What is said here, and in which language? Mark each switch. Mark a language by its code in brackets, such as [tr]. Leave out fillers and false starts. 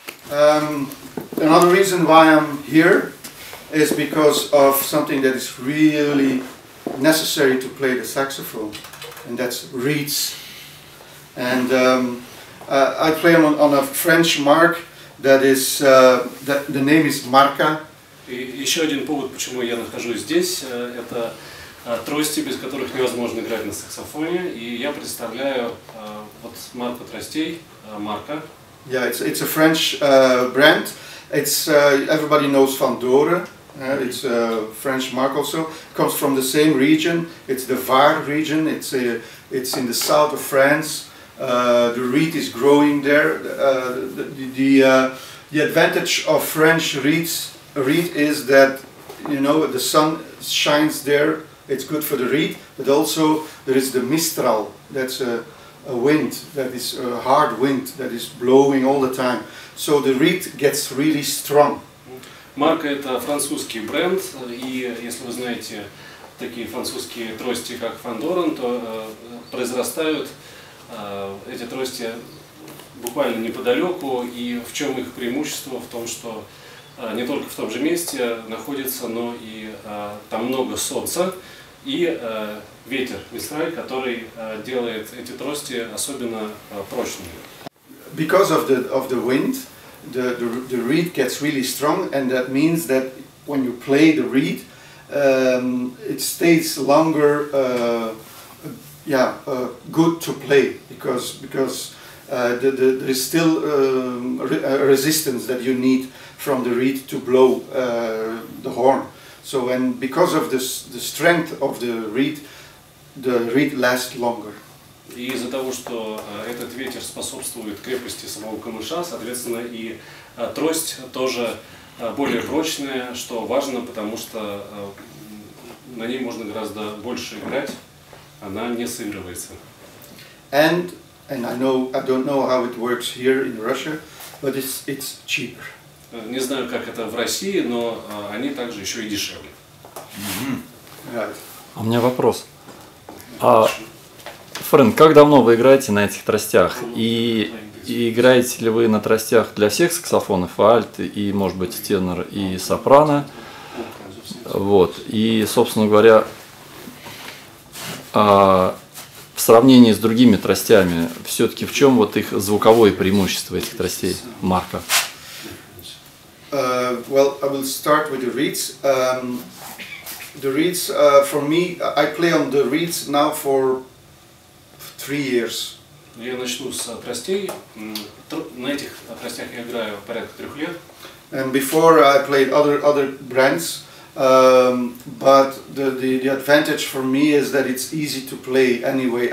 [en] Another reason why I'm here is because of something that is really necessary to play the saxophone, and that's reeds. And I play on a French mark that is the name is MARCA. [ru] Еще один повод, почему я нахожусь здесь, это трости, без которых невозможно играть на саксофоне, и я представляю вот марку тростей MARCA. [en] Yeah, it's a French brand. It's everybody knows Fandore. It's a French mark also. It comes from the same region. It's the Var region. It's in the south of France. The reed is growing there. The advantage of French reed is that, you know, the sun shines there. It's good for the reed, but also there is the Mistral. That's a wind that is a hard wind that is blowing all the time. So the reed gets really strong. [ru] Марка – это французский бренд, и если вы знаете такие французские трости, как Фандорен, то произрастают эти трости буквально неподалеку. И в чем их преимущество? В том, что не только в том же месте находится, но и там много солнца и ветер, мистраль, который делает эти трости особенно прочными. [en] Because of the wind. The reed gets really strong, and that means that when you play the reed, it stays longer. Good to play because there is still resistance that you need from the reed to blow the horn. So, and because of this, the strength of the reed lasts longer. [ru] И из-за того, что этот ветер способствует крепости самого камыша, соответственно, и трость тоже более прочная, что важно, потому что на ней можно гораздо больше играть, она не сыгрывается. [en] And I don't know how it works here in Russia, but it's cheaper. [ru] Не знаю, как это в России, но они также еще и дешевле. [en] Mm-hmm. Right. [ru] У меня вопрос. Фрэнк, как давно вы играете на этих тростях? И играете ли вы на тростях для всех саксофонов, альт, и, может быть, тенор, и сопрано? Вот. И, собственно говоря, в сравнении с другими тростями, все-таки в чем вот их звуковое преимущество, этих тростей, Марка? [en] Well, I will start with the reeds. The reeds, for me, I play on the reeds now for 3 years. [ru] Я начну с тростей. На этих тростях я играю порядка 3 лет. [en] And before I played other brands, but the advantage for me is that it's easy to play anyway.